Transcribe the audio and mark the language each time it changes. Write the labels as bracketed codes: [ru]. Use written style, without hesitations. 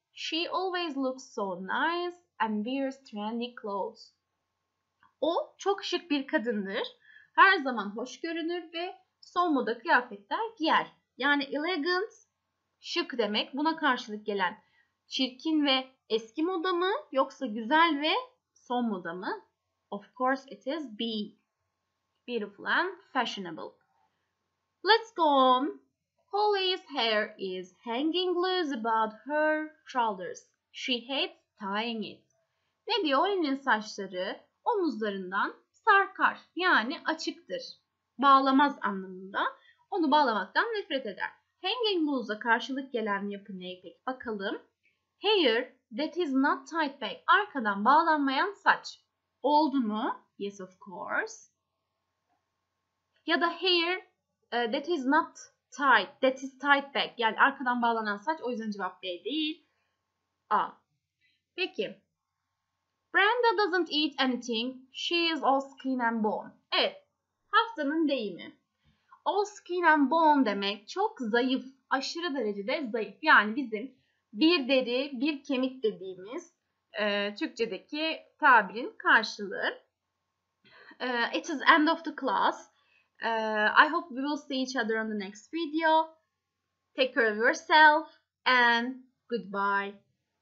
[en] She always looks so nice and wears trendy clothes. [tr] O çok şık bir kadındır. Her zaman hoş görünür ve son moda kıyafetler giyer. Yani elegant, şık demek. Buna karşılık gelen çirkin ve eski moda mı yoksa güzel ve son moda mı? [en] Of course it is B. Beautiful and fashionable. Let's go on. Holly's hair is hanging loose about her shoulders. She hates tying it. [tr] Ne diyor? Holly'nin saçları omuzlarından sarkar. Yani açıktır. Bağlamaz anlamında. Onu bağlamaktan nefret eder. Hanging loose'a karşılık gelen yapı ne pek bakalım. [en] Hair that is not tied back. [tr] Arkadan bağlanmayan saç. Oldu mu? [en] Yes, of course. [tr] Ya da [en] hair that is not tied, that is tied back. [tr] Yani arkadan bağlanan saç, o yüzden cevap B değil. [en] A. [tr] Peki. [en] Brenda doesn't eat anything. She is all skin and bone. [tr] Evet. Haftanın deyimi. [en] All skin and bone [tr] demek çok zayıf. Aşırı derecede zayıf. Yani bizim bir deri, bir kemik dediğimiz Türkçedeki tabirin karşılığı. [en] It is end of the class. I hope we will see each other on the next video. Take care of yourself and goodbye.